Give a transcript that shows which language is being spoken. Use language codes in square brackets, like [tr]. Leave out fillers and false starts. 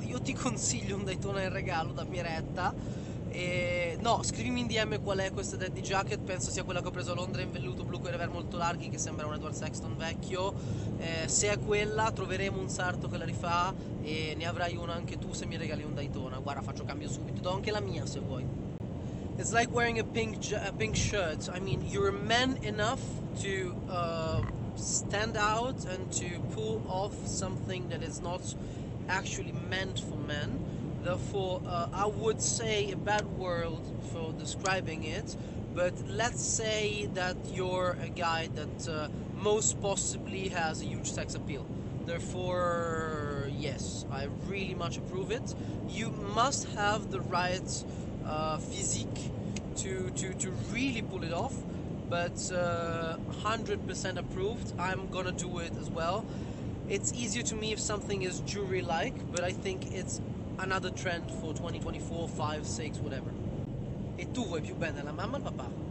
[it] Io ti consiglio un Daytona in regalo da Miretta. No, scrivimi in DM qual è questa daddy jacket, penso sia quella che ho preso a Londra in velluto blu con i revers molto larghi, che sembra un Edward Sexton vecchio. Se è quella, troveremo un sarto che la rifà e ne avrai uno anche tu se mi regali un Daytona. Guarda, faccio cambio subito, do anche la mia se vuoi. [en] It's like wearing a pink shirt. I mean, you're man enough to stand out and to pull off something that is not actually meant for men. Therefore, I would say a bad word for describing it, but let's say that you're a guy that most possibly has a huge sex appeal. Therefore, yes, I really much approve it. You must have the right physique to really pull it off, but 100% approved. I'm gonna do it as well. It's easier to me if something is jewelry-like, but I think it's another trend for 2024, 5, 6, whatever. [it] E tu vuoi più bene alla mamma o al papà?